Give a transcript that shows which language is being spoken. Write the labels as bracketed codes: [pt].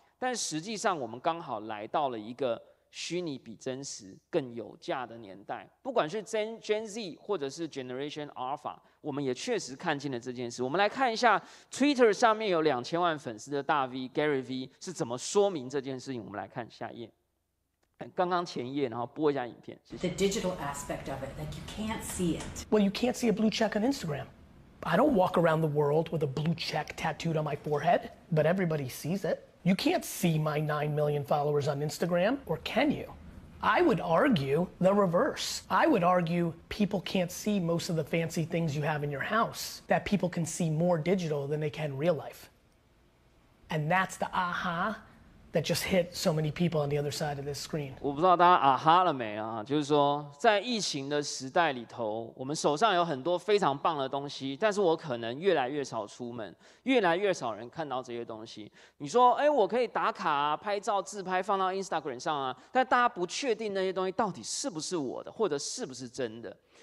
[zh] 但实际上，我们刚好来到了一个虚拟比真实更有价的年代。不管是 Gen Z 或者是 Generation Alpha， 我们也确实看见了这件事。我们来看一下 Twitter 上面有2000万粉丝的大 V Gary V 是怎么说明这件事情。我们来看下一页。刚刚前页，然后播一下影片。 [en] The digital aspect of it, like you can't see it. Well, you can't see a blue check on Instagram. I don't walk around the world with a blue check tattooed on my forehead, but everybody sees it. You can't see my 9 million followers on Instagram, or can you? I would argue the reverse. I would argue people can't see most of the fancy things you have in your house, that people can see more digital than they can real life. And that's the aha. That just hit so many people on the other side of this screen. [zh] 我不知道大家啊哈了没啊？就是说，在疫情的时代里头，我们手上有很多非常棒的东西，但是我可能越来越少出门，越来越少人看到这些东西。你说，我可以打卡、拍照、自拍放到 Instagram 上啊，但大家不确定那些东西到底是不是我的，或者是不是真的。